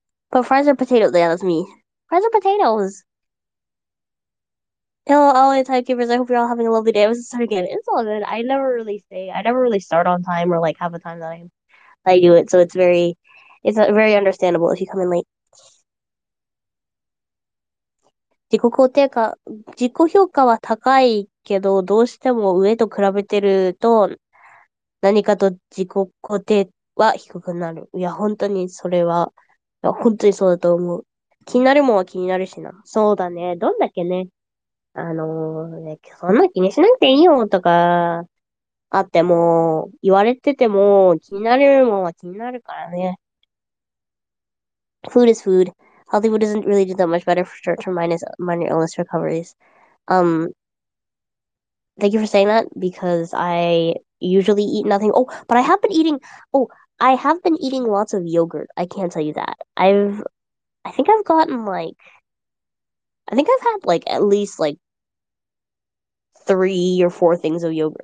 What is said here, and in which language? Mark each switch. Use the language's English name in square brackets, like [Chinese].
[English] But fries are potatoes. Yeah, that's me. Fries are potatoes. Hello, Ali, time keepers. I hope you're all having a lovely day. I was starting again. It's all good. I never really start on time or like have a time that I do it. So it's very understandable if you come in late. [Japanese] 自己評価は高いけど、どうしても上と比べてると、何かと自己肯定は低くなる。いや、本当にそれは、いや、本当にそうだと思う。気になるもんは気になるしな。そうだね。どんだけね。そんな気にしなくていいよとか、あっても、言われてても、気になるもんは気になるからね。 [English] Food is food. Hollywood doesn't really do that much better for short-term minor illness recoveries. Thank you for saying that, because I usually eat nothing. Oh, but I have been eating lots of yogurt. I can't tell you that. I think I've had like at least like three or four things of yogurt.